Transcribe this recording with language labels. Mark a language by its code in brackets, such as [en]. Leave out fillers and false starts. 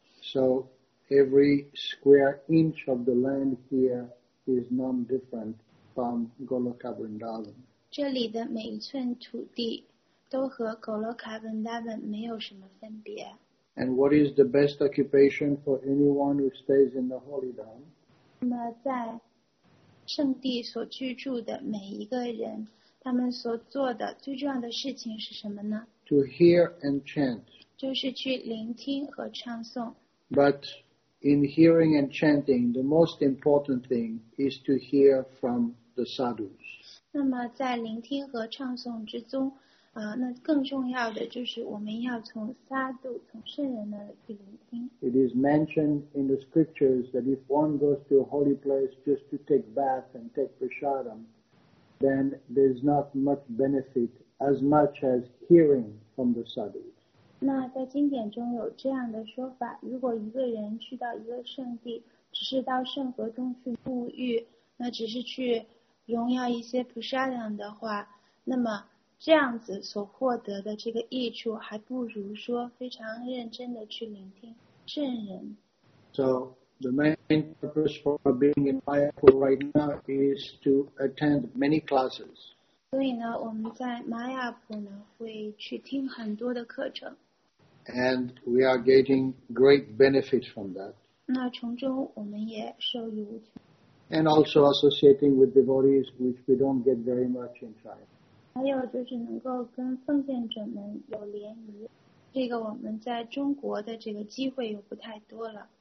[en] So every square inch of the land here is none different from Goloka Vrindavan. [zh] 这里的每一寸土地都和 Goloka Vrindavan 没有什么分别。 [en] And what is the best occupation for anyone who stays in the holy dham? [zh] 那么在圣地所居住的每一个人，他们所做的最重要的事情是什么呢？ [en] To hear and chant. [zh] 就是去聆听和唱诵。 [en] But in hearing and chanting, the most important thing is to hear from the sadhus. [zh] 那么在聆听和唱诵之中，那更重要的就是我们要从沙度，从圣人那里去聆听。 [en] It is mentioned in the scriptures that if one goes to a holy place just to take bath and take prasadam, then there's not much benefit as much as hearing from the sadhus. [zh] 那在经典中有这样的说法，如果一个人去到一个圣地，只是到圣河中去沐浴，那只是去荣耀一些菩萨量的话，那么这样子所获得的这个益处，还不如说非常认真的去聆听圣人。 [en] So the main purpose for being in Mayapur right now is to attend many classes. [zh] 所以呢，我们在玛雅普呢会去听很多的课程。 [en] And we are getting great benefit from that. [zh] 那从中我们也受益无穷。 [en] And also associating with devotees, which we don't get very much in China. [zh] 还有就是能够跟奉献者们有联谊，这个我们在中国的这个机会又不太多了。